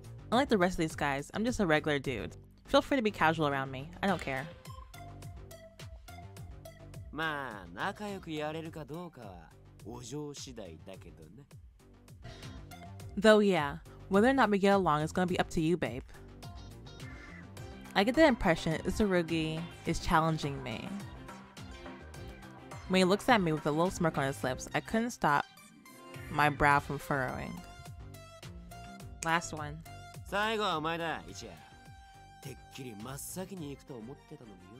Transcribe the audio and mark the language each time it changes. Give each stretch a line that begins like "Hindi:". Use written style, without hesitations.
English: Unlike the rest of these guys, I'm just a regular dude. Feel free to be casual around me. I don't care.
Japanese: まあ、仲良くやれるかどうかはお嬢次第だけどね。
English: Though yeah, whether or not we get along is gonna be up to you, babe. I get the impression Isurugi is challenging me. When he looks at me with a little smirk on his lips, I couldn't stop my brow from furrowing. Last one.
Japanese: 最後はお前だ、一夜。てっきり真っ先に行くと思ってたのに。